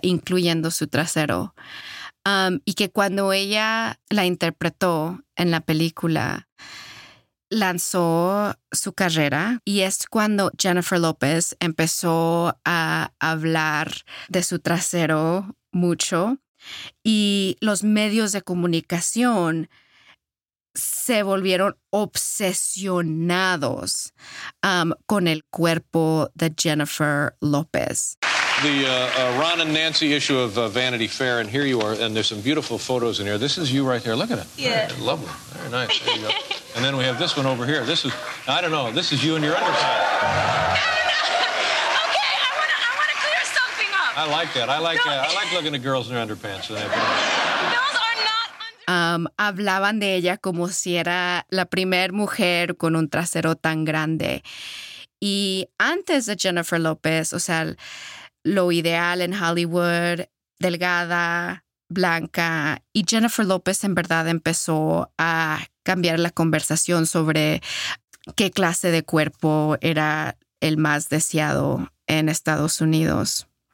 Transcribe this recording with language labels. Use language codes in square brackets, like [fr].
[es] Incluyendo su trasero. Y que cuando ella la interpretó en la película, lanzó su carrera y es cuando Jennifer Lopez empezó a hablar de su trasero mucho y los medios de comunicación se volvieron obsesionados con el cuerpo de Jennifer Lopez. [en] The Ron and Nancy issue of Vanity Fair, and here you are, and there's some beautiful photos in here. This is you right here. Look at it. Yeah. Lovely. Very nice. There you go. And then we have this one over here. This is, I don't know, this is you and your underside. Okay, I want to clear something up. I like that. I like that. I like looking at girls in their underpants. Those are not underpants. [es] Hablaban de ella como si era la primer mujer con un trasero tan grande. Y antes de Jennifer Lopez, o sea, lo ideal en Hollywood, delgada, blanca. Y Jennifer Lopez en verdad empezó a cambiar la conversación sobre qué clase de cuerpo era el más deseado en Estados Unidos.